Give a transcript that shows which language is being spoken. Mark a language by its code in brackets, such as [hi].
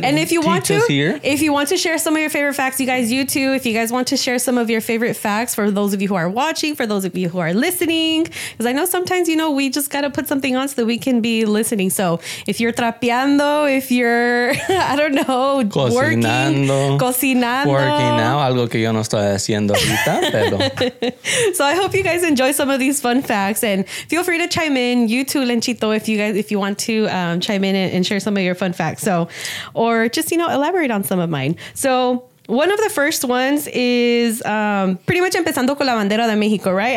[en] If you want to share some of your favorite facts, you guys, you too. If you guys want to share some of your favorite facts for those of you who are watching, for those of you who are listening, because I know sometimes, you know, we just got to put something on so that we can be listening. So if you're [es] trapeando, [en] if you're, I don't know, [es] cocinando, algo que yo no estoy haciendo ahorita, pero. [en] So I hope you guys enjoy some of these fun facts and feel free to chime in. You too, Lenchito, if you want to chime in and share some of your fun facts. So, or just, you know, elaborate on some of mine. So one of the first ones is pretty much [es] empezando con la bandera de México, [en] right?